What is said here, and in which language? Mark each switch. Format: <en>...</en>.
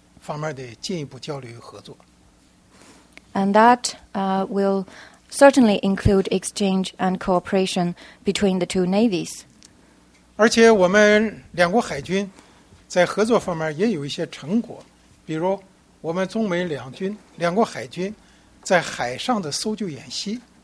<zh>这种交流我理解当然包括中美两军两国海军方面的进一步交流与合作。</zh> <en>And that will certainly include exchange and cooperation between the two navies.</en> <zh>而且我们两国海军在合作方面也有一些成果，比如我们中美两军两国海军在海上的搜救演习。</zh>